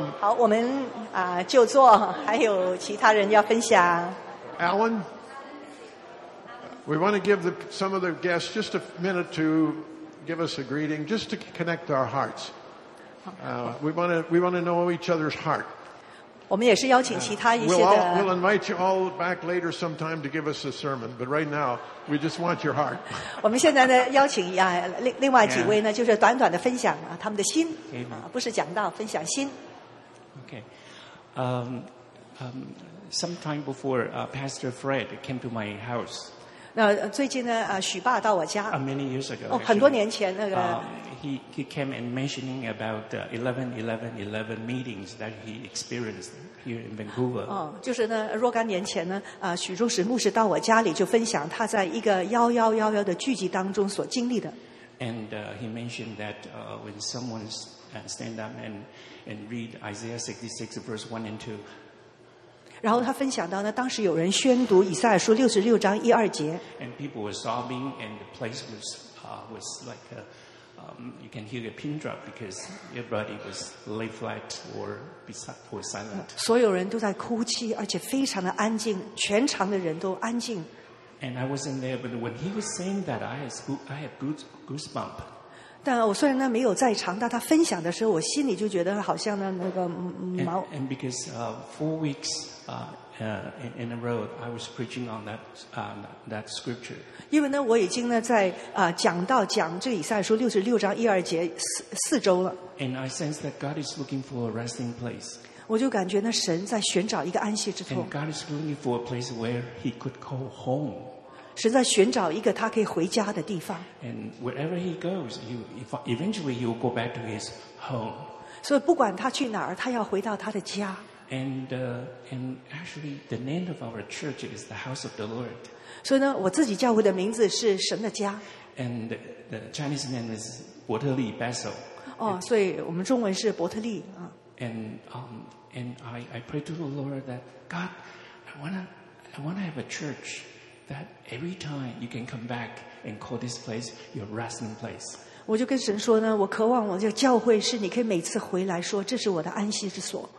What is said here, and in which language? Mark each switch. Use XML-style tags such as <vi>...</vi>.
<zh>好，我们就坐，还有其他人要分享。</zh> <en>Alan, we want to give some of the guests just a minute to give us a greeting, just to connect our hearts. We want to know each other's heart.</en> <zh>我们也是邀请其他一些的。</zh> <en>We'll invite you all back later sometime to give us a sermon, but right now we just want your heart.</en> <zh>我们现在呢邀请另外几位呢，就是短短的分享他们的心，不是讲道，分享心。</zh> <en>Okay. Sometime before Pastor Fred came to my house.</en> <zh>那最近呢，许爸到我家。</zh> <en>Many years ago.</en> <zh>很多年前那个。</zh> <en>He came and mentioning about the 11-11-11 meetings that he experienced here in Vancouver.</en> <zh>就是呢，若干年前呢，许忠实牧师到我家里就分享他在一个1111的聚集当中所经历的。</zh> <en>And he mentioned that when someone stand up and read Isaiah 66 verse 1 and 2.</en> <zh>然后他分享到呢，当时有人宣读以赛亚书66章一二节。</zh> <en>And people were sobbing, and the place was like you can hear a pin drop because everybody was lay flat or silent.</en> <zh>所有人都在哭泣，而且非常的安静，全场的人都安静。</zh> <en>And I wasn't there, but when he was saying that, I had goosebump.</en> <zh>但我虽然呢没有在场，但他分享的时候，我心里就觉得好像呢那个毛。</zh> <en>And because four weeks in a row, I was preaching on that scripture.</en> <zh>因为呢，我已经呢在讲这以赛书66章一二节四周了。</zh> <en>And I sense that God is looking for a resting place.</en> <zh>我就感觉呢，神在寻找一个安息之处。</zh> <en>And God is looking for a place where He could call home.</en> <zh>神在寻找一个他可以回家的地方。</zh> <en>And wherever He goes, eventually He will go back to His home.</en> <zh>所以不管他去哪儿，他要回到他的家。</zh> <en>And actually, the name of our church is the House of the Lord.</en> <zh>所以呢，我自己教会的名字是神的家。</zh> <en>And the Chinese name is 伯特利 Bethel.</en> <zh>所以我们中文是伯特利啊。</zh> <en>And I pray to the Lord that God, I wanna have a church that every time you can come back and call this place your resting place.</en> <zh>我就跟神说呢，我渴望我的教会是你可以每次回来说这是我的安息之所。</zh>